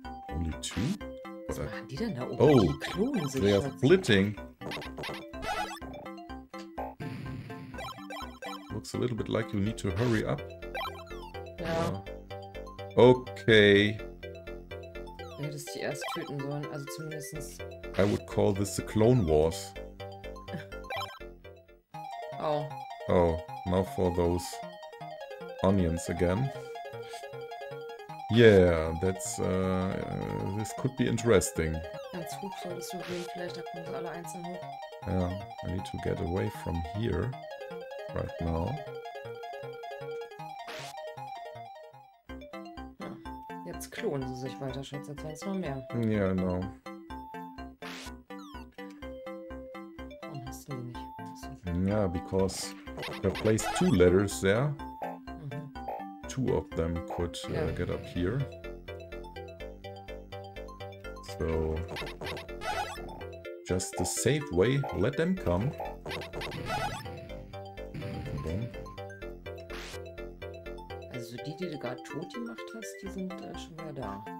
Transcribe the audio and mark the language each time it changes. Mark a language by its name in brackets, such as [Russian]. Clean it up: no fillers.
[English] Only two? What are they doing there? Oh, clones, they are splitting. Looks a little bit like you need to hurry up. Yeah. Okay. [German] Du hättest die erst töten sollen, also zumindestens. [English] I would call this the Clone Wars. Oh. Oh, now for those onions again. Yeah, that's this could be interesting. [German] Ganz hoch solltest du gehen, vielleicht da kommen sie alle einzeln hoch. [English] Yeah, I need to get away from here right now. [German] Jetzt klonen sie sich weiter, Schatz, jetzt werden es noch mehr. [English] Yeah, I know. [German] Warum hast du die nicht? [English] Yeah, because they placed two letters there. Two of them could get up here. So, just the safe way, let them come. [German] Also die, die du gerade tot gemacht hast, die sind schon wieder da.